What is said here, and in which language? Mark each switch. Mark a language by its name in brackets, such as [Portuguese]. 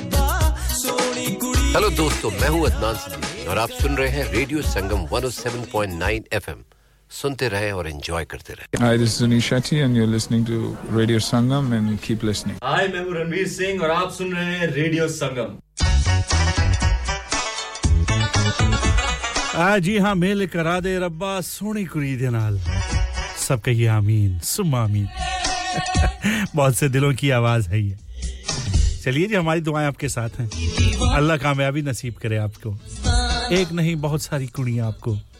[Hindi] Hello दोस्तों मैं हूं अदनान सिद्दीकी और आप सुन रहे हैं रेडियो संगम 107.9 FM सुनते रहें और एंजॉय करते रहें [English] Hi this is Anish Shetty and you're listening to Radio Sangam and keep listening [Hindi] Hi मैं हूं रणवीर सिंह और आप सुन रहे हैं रेडियो संगम हां जी हां [Punjabi] मेल करा दे रब्बा सोनी कुड़ी दे नाल [Hindi] सब कहिए आमीन सुम्मा आमीन बहुत से दिलों की आवाज है ये चलिए जी हमारी दुआएं आपके साथ हैं अल्लाह कामयाबी नसीब करे आपको एक नहीं बहुत सारी कुड़ियां आपको